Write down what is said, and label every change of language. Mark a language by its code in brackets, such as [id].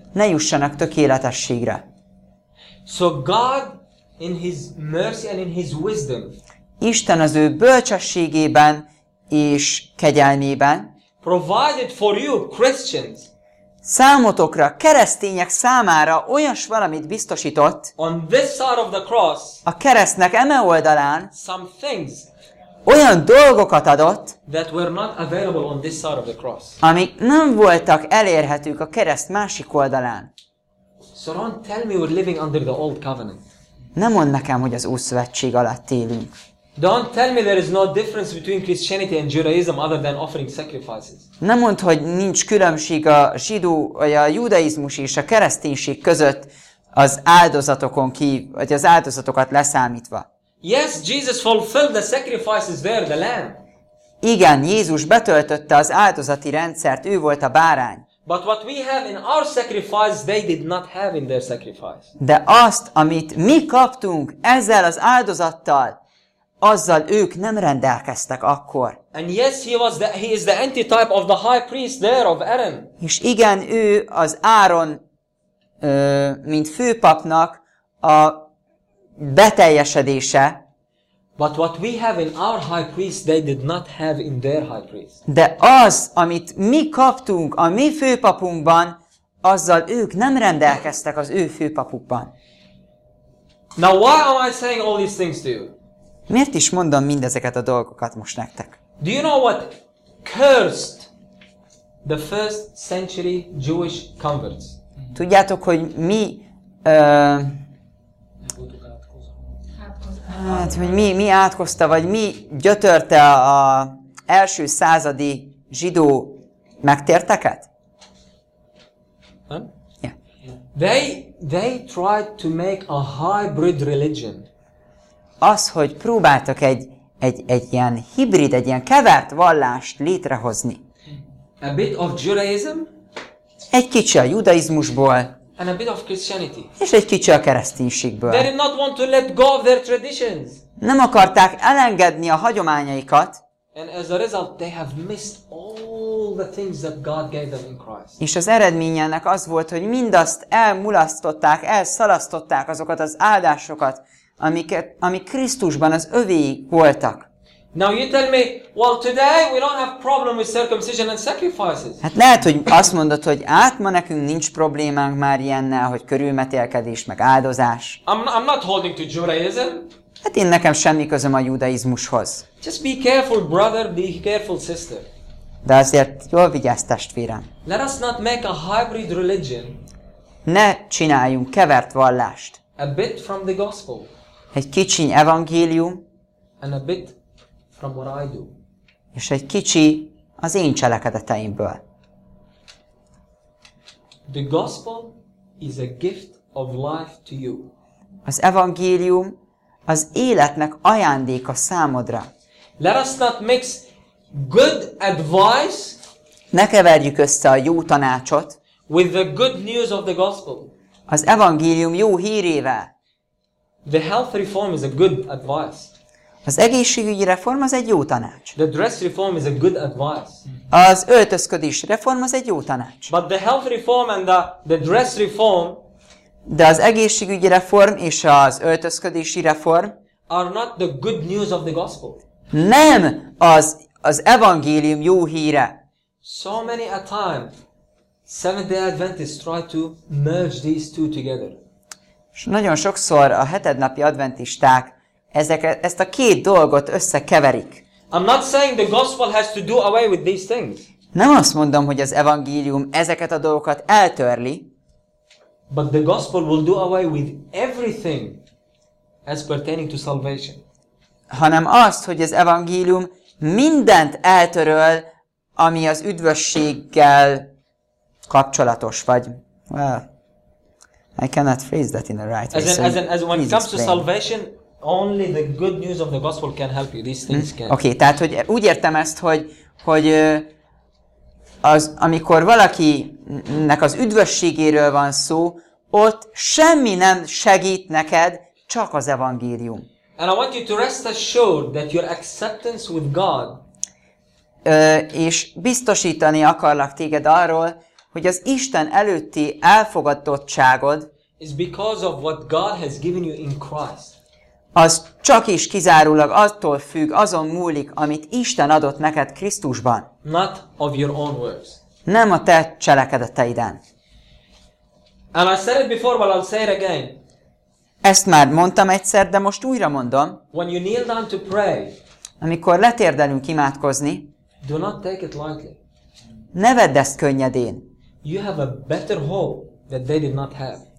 [hu] Ne jussanak tökéletességre. [en] So God in his mercy and in his wisdom, [hu] Isten az ő bölcsességében és kegyelmében [en] provided for you Christians, [hu] számotokra, keresztények számára olyas valamit biztosított [en] on this side of the cross, [hu] a keresztnek eme oldalán [en] some things, [hu] olyan dolgokat adott, [en] that were not available on this side of the cross, [hu] amik nem voltak elérhetők a kereszt másik oldalán. [en] So don't tell me we're living under the old covenant. [hu] Ne mondd nekem, hogy az új szövetség alatt élünk. [en] Don't tell me there is no difference between Christianity and Judaism other than offering sacrifices. [hu] Ne mondd, hogy nincs különbség a zsidó, vagy a judaizmus és a kereszténység között az áldozatokon kívül, vagy az áldozatokat leszámítva. [en] Yes, Jesus fulfilled the sacrifices there, the lamb. [hu] Igen, Jézus betöltötte az áldozati rendszert, ő volt a bárány. [en] But what we have in our sacrifice, they did not have in their sacrifice. [hu] De azt, amit mi kaptunk ezzel az áldozattal, azzal ők nem rendelkeztek akkor. [en] And yes, he is the antitype of the high priest there of Aaron. [hu] És igen, ő az Áron, mint főpapnak a beteljesedése. [en] But what we have in our high priest, they did not have in their high priest. [hu] De az, amit mi kaptunk a mi főpapunkban, azzal ők nem rendelkeztek az ő főpapukban. [en] Now why am I saying all these things to you? [hu] Miért is mondom mindezeket a dolgokat most nektek? [en] Do you know what cursed the first century Jewish converts? [hu] Tudjátok, hogy mi hát, hogy mi átkozta, vagy mi gyötörte a első századi zsidó megtérteket? [en] Huh? Yeah. They tried to make a hybrid religion. [hu] Az, hogy próbáltak egy egy ilyen hibrid, egy ilyen kevert vallást létrehozni. [en] A bit of Judaism? [hu] Egy kicsi a judaizmusból. [en] And a bit of Christianity. [hu] És egy kicsi a kereszténységből. [en] They did not want to let go of their traditions. [hu] Nem akarták elengedni a hagyományaikat. [en] And as a result, they have missed all the things that God gave them in Christ. [hu] És az eredménye ennek az volt, hogy mindazt elmulasztották, elszalasztották azokat az áldásokat, amik Krisztusban az övéi voltak. [en] Now you tell me, well today we don't have problem with circumcision and sacrifices. [hu] Hát lehet, hogy azt mondod, hogy át ma nekünk nincs problémánk már ilyennel, hogy körülmetélkedés, meg áldozás. [en] I'm not holding to Judaism. [hu] Hát én nekem semmi közöm a judaizmushoz. [en] Just be careful, brother, be careful, sister. [hu] De azért jól vigyázz, testvérem. [en] Let us not make a hybrid religion. [hu] Ne csináljunk kevert vallást. [en] A bit from the gospel. [hu] Egy kicsiny evangélium. [en] And a bit from what I do. [hu] És egy kicsi az én cselekedeteimből. [en] The gospel is a gift of life to you. [hu] Az evangélium az életnek ajándéka számodra. [en] Let us not mix good advice. [hu] Ne keverjük össze a jó tanácsot. [en] With the good news of the gospel. [hu] Az evangélium jó hírével. [en] The health reform is a good advice. [hu] Az egészségügyi reform az egy jó tanács. [en] The dress reform is a good advice. [hu] Az öltözködés reform az egy jó tanács. [en] But the health reform and the dress reform. [hu] De az egészségügyi reform és az öltözködési reform. [en] Are not the good news of the gospel. [hu] Nem az evangélium jó híre. [en] So many a time, Seventh-day Adventists try to merge these two together. [hu] És nagyon sokszor a hetednapi adventisták ezt a két dolgot összekeverik. [en] I'm not saying the gospel has to do away with these things. [hu] Nem azt mondom, hogy az evangélium ezeket a dolgokat eltörli. [en] But the gospel will do away with everything as pertaining to salvation. [hu] Hanem azt, hogy az evangélium mindent eltöröl, ami az üdvösséggel kapcsolatos vagy. [en] Well, I cannot phrase that in the right way. As when it comes to salvation, only the good news of the gospel can help you. These things can. [hu] Okay, tehát hogy úgy értem ezt, hogy az, amikor valakinek az üdvösségéről van szó, ott semmi nem segít neked, csak az evangélium. [en] And I want you to rest assured that your acceptance with God. [hu] És biztosítani akarlak téged arról, hogy az Isten előtti elfogadottságod [en] is because of what God has given you in Christ. [hu] Az csak is kizárólag attól függ, azon múlik, amit Isten adott neked Krisztusban. [en] Not of your own works. [hu] Nem a te cselekedeteiden. [en] And I said it before, but I'll say it again. [hu] Ezt már mondtam egyszer, de most újra mondom. [en] When you kneel down to pray, [hu] amikor letérdelünk imádkozni, [en] do not take it lightly. [hu] Ne vedd ezt könnyedén. [en] You have a better hope that they did not have.